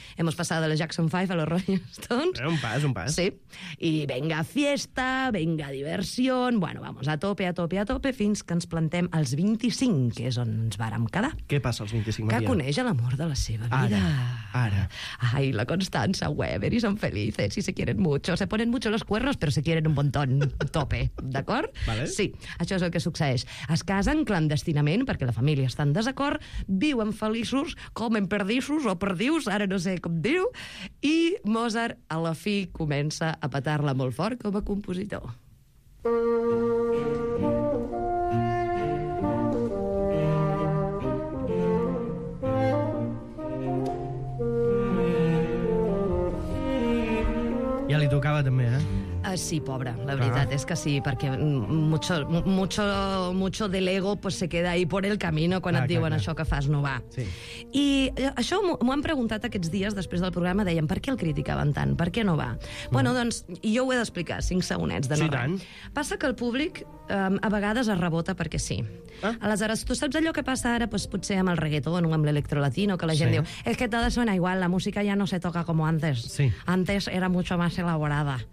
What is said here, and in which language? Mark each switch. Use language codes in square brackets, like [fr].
[es] Hemos pasado de la Jackson 5 a los Rolling Stones. [ca] Un pas, un pas. Sí. I [es] venga fiesta, venga [ca] diversió, bueno, [es] vamos, [ca] a tope, a tope, a tope, fins que ens plantem als 25, que és on ens vàrem quedar. Què passa als 25, Maria? Que coneix l'amor de la seva vida. Ara, ara. [es] Ay, la Constanza Weber, y son felices, y se quieren mucho. Se ponen mucho los cuernos, pero se quieren un montón. [ca] Tope, d'acord? Vale. Sí, això és el que succeeix. Es casen clandestinament, perquè la família està en desacord, viuen feliços, comen perdissos o perdius, ara no sé com diu, i Mozart, a la fi, comença a petar-la molt fort com a compositor. Ja li tocava també, eh? Sí, pobre, la veritat és que sí, perquè [es] mucho del ego pues, se queda ahí por el camino [ca] quan et diuen això que fas no va. Sí. I això m'ho han preguntat aquests dies després del programa, deien, per què el criticaven tant? Per què no va? Bueno, doncs, jo ho he d'explicar, 5 segonets de sí, nou. Passa que el públic a vegades es rebota perquè sí. Ah? Aleshores, tu saps allò que passa ara pues, potser amb el reggaeton o amb l'electrolatino, que la gent sí. [es] Diu, es que todo suena igual, la música ya no se toca como antes. [ca] Sí. [es] Antes era mucho más elaborada.